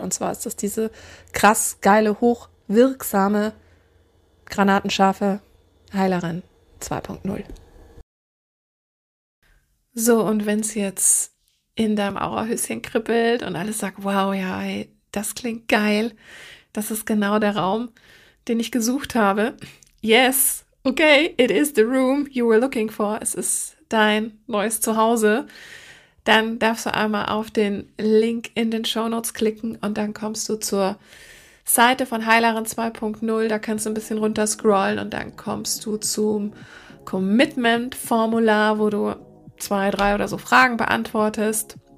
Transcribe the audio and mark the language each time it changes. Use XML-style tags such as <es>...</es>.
<de>Und zwar ist das diese krass geile, hochwirksame, granatenscharfe Heilerin 2.0. So, und wenn es jetzt in deinem Aurahöschen kribbelt und alles sagt, wow, ja, ey, das klingt geil, das ist genau der Raum, den ich gesucht habe.</de> <en>Yes, okay, it is the room you were looking for.</en> <de>Es ist dein neues Zuhause. Dann darfst du einmal auf den Link in den Shownotes klicken und dann kommst du zur Seite von Heileren 2.0. Da kannst du ein bisschen runterscrollen und dann kommst du zum Commitment-Formular, wo du 2, 3 oder so Fragen beantwortest.</de>